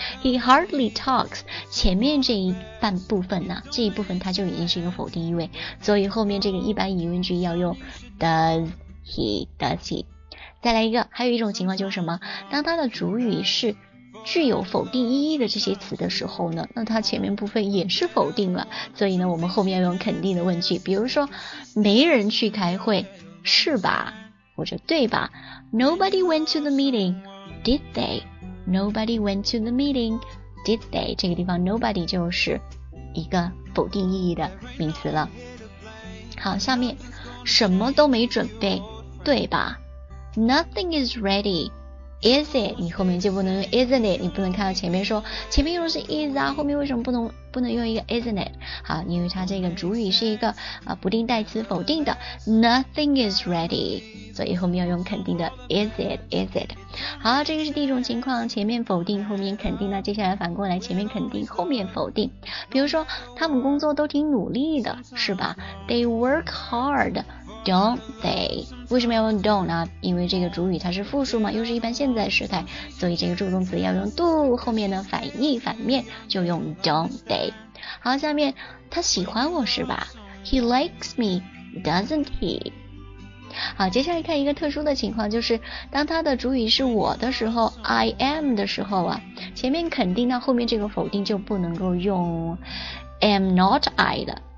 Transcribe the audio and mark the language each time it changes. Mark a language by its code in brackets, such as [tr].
[zh] He hardly talks, 前面这一半部分呢，这一部分它就已经是一个否定意味，所以后面这个一般疑问句要用 does he? 再来一个，还有一种情况就是什么？当它的主语是具有否定意义的这些词的时候呢，那它前面部分也是否定了，所以呢，我们后面要用肯定的问句，比如说，没人去开会，是吧？或者对吧？ [en] Nobody went to the meeting, did they? Nobody went to the meeting, did they? [zh] 这个地方 nobody 就是一个否定意义的名词了。好，下面什么都没准备对吧？ [en] Nothing is ready, is it? [zh] 你后面就不能用 isn't it，你不能看到前面说前面用的是 is 啊，后面为什么不能用一个 isn't it？好，因为它这个主语是一个不定代词否定的 nothing is ready，所以后面要用肯定的 is it。好，这个是第一种情况，前面否定后面肯定，那接下来反过来，前面肯定后面否定。比如说他们工作都挺努力的是吧？ [en] They work hard, don't they? [zh] 为什么要用 don't 呢？因为这个主语它是复数嘛，又是一般现在时态，所以这个助动词要用 do， 后面呢反义反面就用 don't they。好，下面他喜欢我是吧？ He likes me, doesn't he? 好，接下来看一个特殊的情况，就是当它的主语是我的时候 I am 的时候啊，前面肯定，那后面这个否定就不能够用 am not I 的。